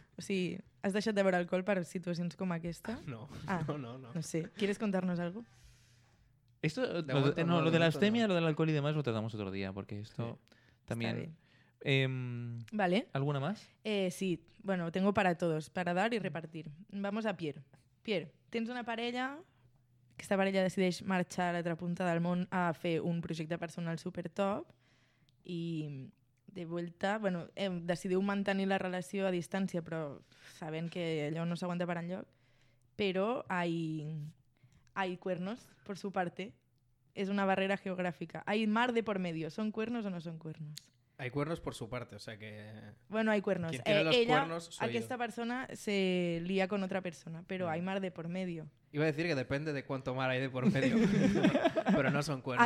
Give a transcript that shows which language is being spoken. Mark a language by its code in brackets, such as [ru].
[es] O sea, ¿has dejado de beber alcohol para situaciones como esta? No. No sé. ¿Quieres contarnos algo? Esto, lo de la abstemia, no. Lo del alcohol y demás lo tratamos otro día, porque esto sí. También... Vale. ¿Alguna más? Sí, bueno, tengo para todos, para dar y repartir. Vamos a Pierre. [ca] Pierre, tens una parella, aquesta parella decideix marxar a l'altra punta del món a fer un projecte personal super top i de volta, bueno, decidiu mantenir la relació a distància però sabent que allò no s'aguanta per enlloc, però [es] hay cuernos por su parte, [ca] és una barrera geogràfica, [es] hay mar de por medio, [ca] ¿son cuernos o no son cuernos? [es] Hay cuernos por su parte, o sea que... Bueno, hay cuernos. Quien tiene los ella, cuernos, soy [ca] aquesta [es] yo. Persona se lía con otra persona, pero hay mar de por medio. Iba a decir que depende de cuánto mar hay de por medio, pero no son cuernos.